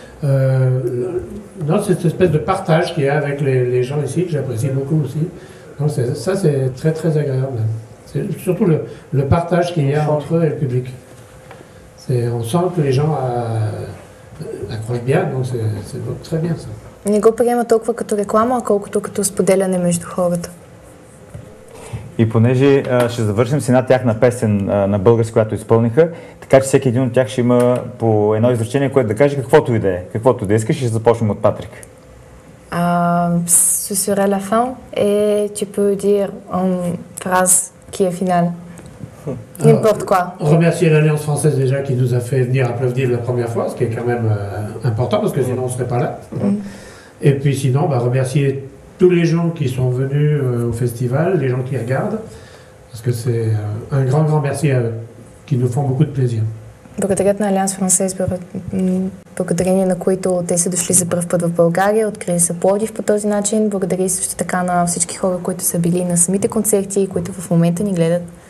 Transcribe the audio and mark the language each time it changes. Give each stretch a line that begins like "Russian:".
French: Non, c'est cette espèce de partage qu'il y a avec les gens ici, que j'apprécie beaucoup aussi. Donc ça, c'est très, très agréable. C'est surtout le partage qu'il y a entre eux et le public. On sent que les gens accrochent bien, donc c'est très bien ça.
Bulgarian: Не го приема толкова като реклама, колкото като споделяне между хората. И понеже ще завършим с една тяхна песен на български, която изпълниха, така че всеки един от тях ще има по едно изречение, което да каже каквото и да е. Каквото да искаш, ще започнем от Патрик.
French: Ce sera la fin et tu peux dire une phrase qui est finale. N'importe quoi. Remercier l'Alliance française déjà qui nous a fait venir à Plovdiv la première fois, ce qui est quand même important parce que sinon on ne serait pas là. Et puis sinon, remercier tous les gens qui sont venus au festival, les gens qui regardent, parce que c'est un grand, grand merci à eux, qui nous font beaucoup de plaisir.
Bulgarian: Благодарят на Алианс Франсез, благодарение на които те са дошли за пръв път в България, открили са Пловдив по този начин. Благодаря също така на всички хора, които са били на самите концерти и които в момента ни гледат.